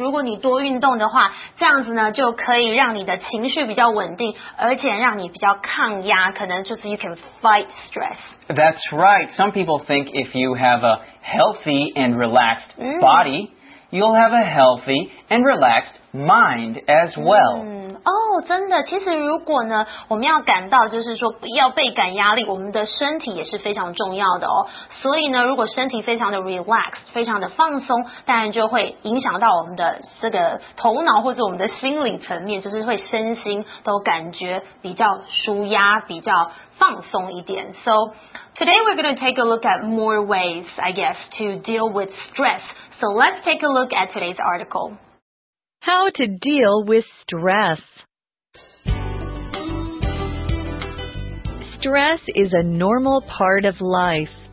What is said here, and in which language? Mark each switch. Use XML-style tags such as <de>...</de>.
<zh>如果你多运动的话，这样子呢就可以让你的情绪比较稳定，而且让你比较抗压，可能就是</zh> <en>you can fight stress. That's right. Some people think if you have a healthy and relaxed body, you'll have a healthy and relaxed mind as well.</en> <zh>Oh, 真的，其实如果呢，我们要感到就是说不要倍感压力，我们的身体也是非常重要的哦。所以呢，如果身体非常的 relaxed, 非常的放松，当然就会影响到我们的这个头脑或者我们的心理层面，就是会身心都感觉比较舒压，比较放松一点。</zh> <en>So today we're going to take a look at more ways, I guess, to deal with stress. So let's take a look at today's article. How to deal with stress. Stress is a normal part of life.</en>